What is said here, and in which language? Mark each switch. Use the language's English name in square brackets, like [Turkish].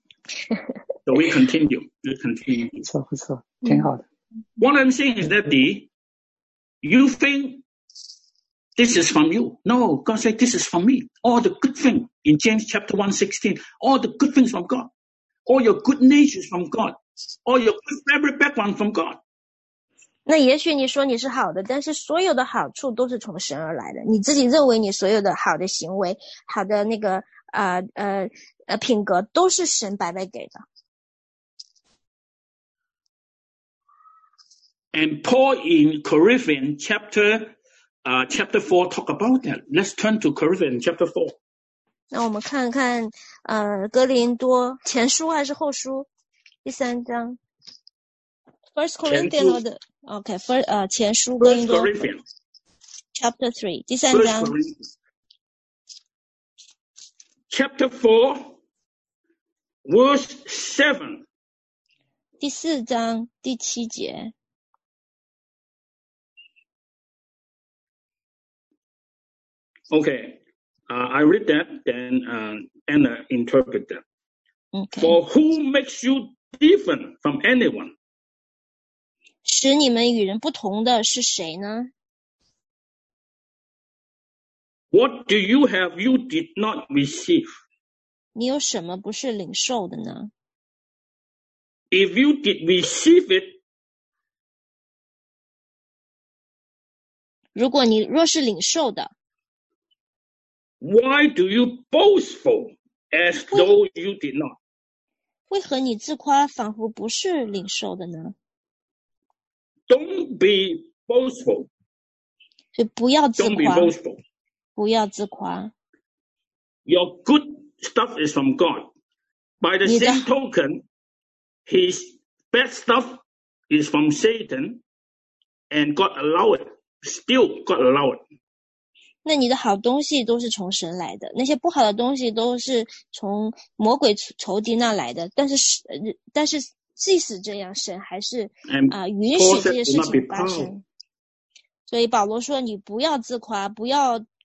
[English] So we continue. We continue. [Chinese] 不错，挺好的。 [English] What I'm saying is that you think this is from you. No, God said this is from me. All the good things in James chapter 1:16, all the good things from God. All your good nature is from God. All your good fabric background from God. [Chinese] 那也许你说你是好的，但是所有的好处都是从神而来的。你自己认为你所有的好的行为、好的那个品格，都是神白白给的。 [English] And Paul in Corinthians chapter 4 talk about that. Let's turn to Corinthians chapter 4. [Chinese] 那我们看看哥林多前书还是后书？第三章。 [English] First Corinthians or the okay, first, [Chinese] 前书哥林多 [English] Chapter 3, [Chinese] 第三章 [English] Chapter 4, verse 7. [Chinese] 第四章第七节 [English] Okay, I read that, then Anna interpret that.、 Okay. For who makes you different from anyone? [Chinese] 使你们与人不同的是谁呢？ [English] What do you have you did not receive? [Chinese] 你有什么不是领受的呢? [English] If you did receive it, [Chinese] 如果你若是领受的, [English] Why do you boastful as though you did not? [Chinese] 为何你自夸仿佛不是领受的呢? [English] Don't be boastful. [Chinese] 不要自夸。 [English] Don't be boastful. [Chinese] 不要自夸。 [English] Your good stuff is from God. By the same token, his bad stuff is from Satan, and God allow it. Still, God allow it. [Chinese] 那你的好东西都是从神来的，那些不好的东西都是从魔鬼仇敌那来的。但是即使这样，神还是允许这些事情发生。所以保罗说：“你不要自夸，不要。”